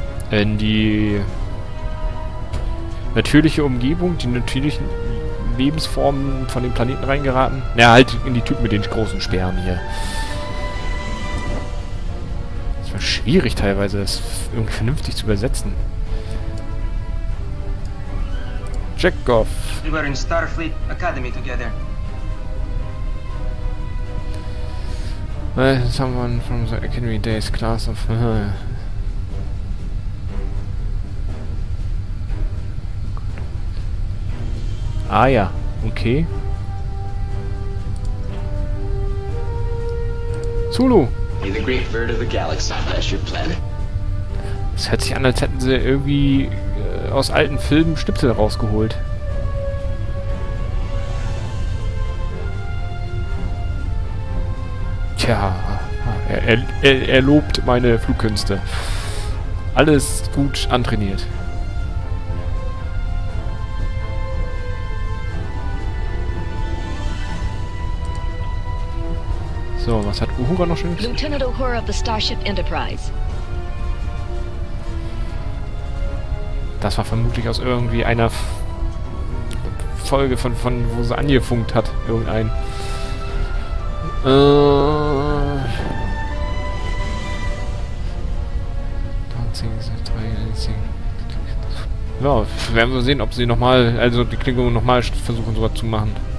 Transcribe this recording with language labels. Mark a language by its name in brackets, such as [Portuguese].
[German] In die natürliche Umgebung, die natürlichen Lebensformen von den Planeten reingeraten. Ja, halt in die Typen mit den großen Speeren hier. Schwierig teilweise, das irgendwie vernünftig zu übersetzen. Jackoff. [English] We were in Starfleet Academy together. Well, someone from the Academy Days class of... [German] Ah ja, okay. Zulu. [English] The great bird of the galaxy, that's your planet. [German] Das hört sich an, als hätten sie irgendwie aus alten Filmen Schnipsel rausgeholt. Tja, er lobt meine Flugkünste. Alles gut antrainiert. So, was hat Uhura noch schön? [English] Lieutenant Uhura of the Starship Enterprise. [German] Das war vermutlich aus irgendwie einer Folge von wo sie angefunkt hat, irgendein. [English] Don't think so, try anything. [German] Ja, werden wir sehen, ob sie nochmal, also die Klingung nochmal versuchen, sowas zu machen.